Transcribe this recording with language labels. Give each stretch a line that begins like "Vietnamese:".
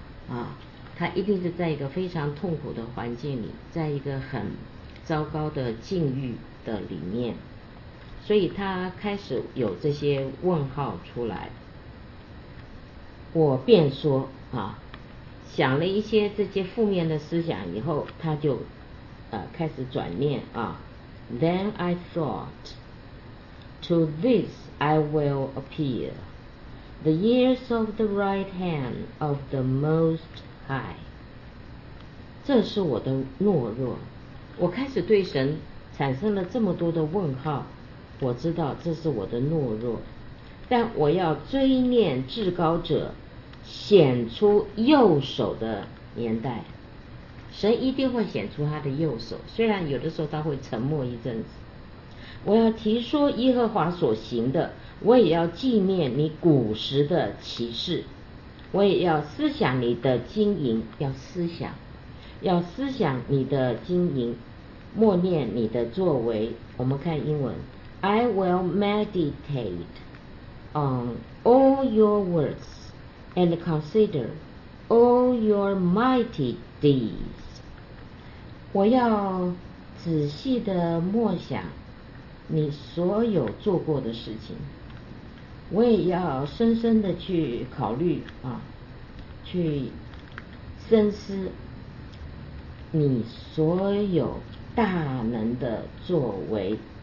Chinese: 啊，他一定是在一个非常痛苦的环境里，在一个很糟糕的境遇的里面，所以他开始有这些问号出来。我便说啊，想了一些这些负面的思想以后，他就开始转念啊。
English: Then I thought, to this I will appeal, the ears of the right hand of the Most High.
Chinese: 这是我的懦弱。我开始对神产生了这么多的问号，我知道这是我的懦弱，但我要追念至高者显出右手的年代。神一定会显出他的右手，虽然有的时候他会沉默一阵子。我要提说耶和华所行的，我也要纪念你古时的奇事，我也要思想你的经营，要思想你的经营，默念你的作为。我们看英文，
English: I will meditate on all your words and consider all your mighty deeds.
Chinese: 我要仔细的默想你所有做过的事情，我也要深深的去考虑啊，去深思你所有大能的作为。